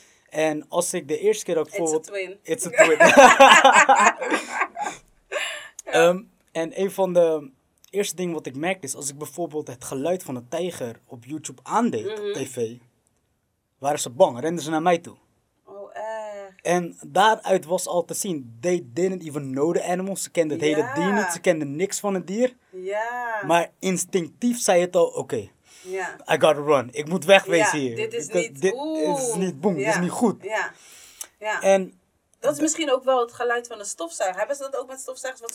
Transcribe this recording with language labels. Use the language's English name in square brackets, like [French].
[Dutch] En als ik de eerste keer dat ik bijvoorbeeld... [English] It's a twin. En een van de eerste dingen wat ik merkte is, als ik bijvoorbeeld het geluid van een tijger op YouTube aandeed op tv, waren ze bang, renden ze naar mij toe. [Dutch] En daaruit was al te zien, [English] they didn't even know the animals. [Dutch] Ze kenden het hele dier niet, ze kenden niks van het dier. Ja. Maar instinctief zei het al, oké, [English] okay, I gotta run. [Dutch] Ik moet wegwezen hier. Dit is niet, boom, dit is niet goed. Ja. Ja. En dat is misschien ook wel het geluid van een stofzuiger. Hebben ze dat ook met stofzuigers?